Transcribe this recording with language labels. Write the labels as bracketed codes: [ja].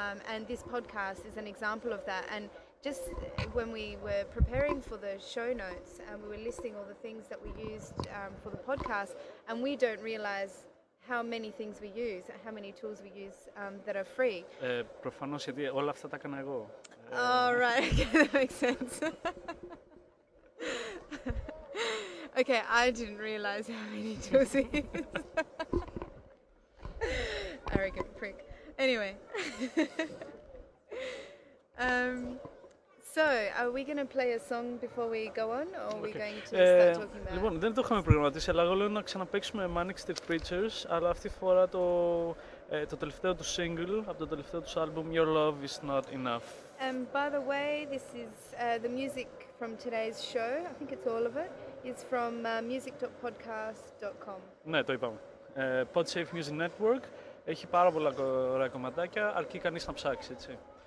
[en] And this podcast is an example of that. And just when we were preparing for the show notes and we were listing all the things that we used for the podcast, and we don't realize how many things we use, how many tools we use that are free. [el] Προφανώς, γιατί όλα αυτά τα έκανα εγώ. [en] Oh, right. That makes sense. Okay, I didn't realize how many tools we use. Arrogant prick. Anyway. So, are we going to play a song before we go on, or are we going to start talking about... [el] Λοιπόν, δεν το είχαμε προγραμματίσει, αλλά εγώ λέω να ξαναπαίξουμε Manic Street Preachers, αλλά αυτή τη φορά το τελευταίο του single, από το τελευταίο του album, Your Love Is Not Enough. [en] By the way, this is the music from today's show, I think it's all of it, is from music.podcast.com. [el] Ναι, το είπαμε. Podsafe Music Network, έχει πάρα πολλά ωραία κομματάκια, αρκεί κανείς να ψάξει, έτσι.